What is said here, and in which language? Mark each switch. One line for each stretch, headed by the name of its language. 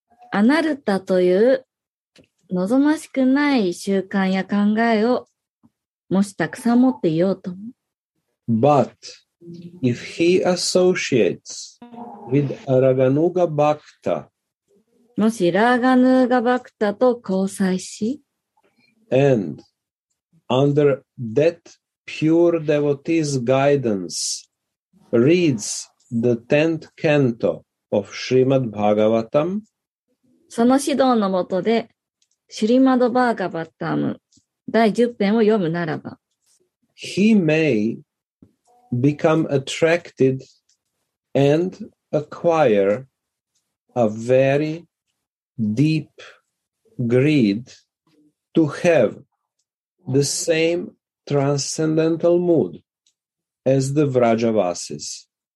Japanese: アナルタという望ましくない習慣や考えをもしたくさん持っていようとも。
English: But if he associates with Araganuga Bhakta,
Japanese: もしラーガヌーガバクタと交際し、
English: and under that pure devotee's guidance, reads the 10th canto of Srimad Bhagavatam.
Japanese: その指導のもとで、シュリマドバーガバタム第10編を読むならば、
English: he may become attracted and acquire a very deep greed to have the same transcendental mood as the Vrajavasis.